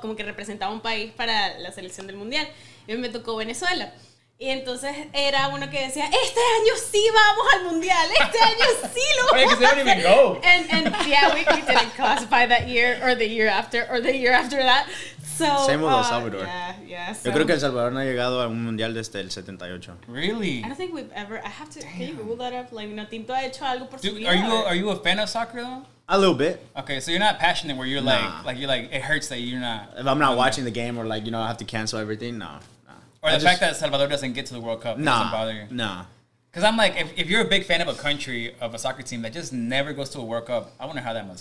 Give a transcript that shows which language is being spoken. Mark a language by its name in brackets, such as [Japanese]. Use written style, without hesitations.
[Spanish] Como que representaba un país para la selección del mundial. Y me tocó Venezuela. Y entonces era uno que decía, este año sí vamos al mundial, este año sí lo vamos. [English] Because they don't even go. And yeah, we didn't classify that year, or the year after that. So, same with El Salvador. Yeah, so. [Spanish] Yo creo que El Salvador no ha llegado a un mundial desde el 78. [English] Really? I don't think we've ever. I have to. Damn. Can you Google that up? [Spanish] Like, no, Tinto ha hecho algo por su vida. [English] Are you a fan of soccer though? A little bit. Okay, so you're not passionate where you're like you're like it hurts that you're not. If I'm not watching the game or like you know I have to cancel everything, no. Or the fact that El Salvador doesn't get to the World Cup doesn't bother you. Nah. Because I'm like, if you're a big fan of a country, of a soccer team that just never goes to a World Cup, I wonder how that must